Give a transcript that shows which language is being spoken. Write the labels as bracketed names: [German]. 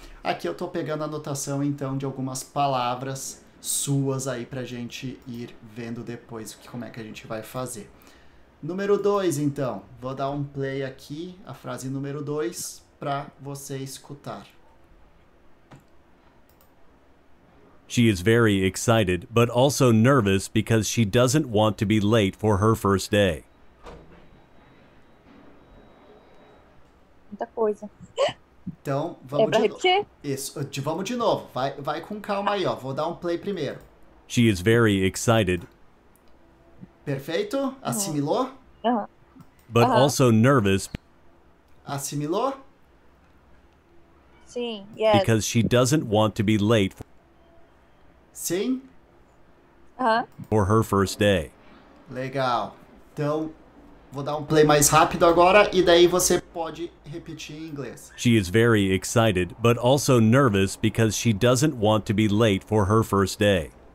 [Portuguese] Aqui eu tô pegando a anotação então de algumas palavras suas aí pra gente ir vendo depois como é que a gente vai fazer. Número 2, então. Vou dar um play aqui, a frase número 2, para você escutar. [English] She is very excited, but also nervous because she doesn't want to be late for her first day. [Portuguese] Muita coisa. Então, É vamos para de novo. repetir? Isso, vamos de novo. Vai com calma aí, ó. Vou dar um play primeiro. [English] She is very excited. [Portuguese] Perfeito? Assimilou? [English] But also nervous. [Portuguese] Assimilou? Sim, [English] Because she doesn't want to be late for [Portuguese] Sim. [English] Her first day. [Portuguese] Legal. Então, vou dar um play mais rápido agora e daí você pode repetir em inglês. [English] She is very excited, but also nervous because she doesn't want to be late for her first day.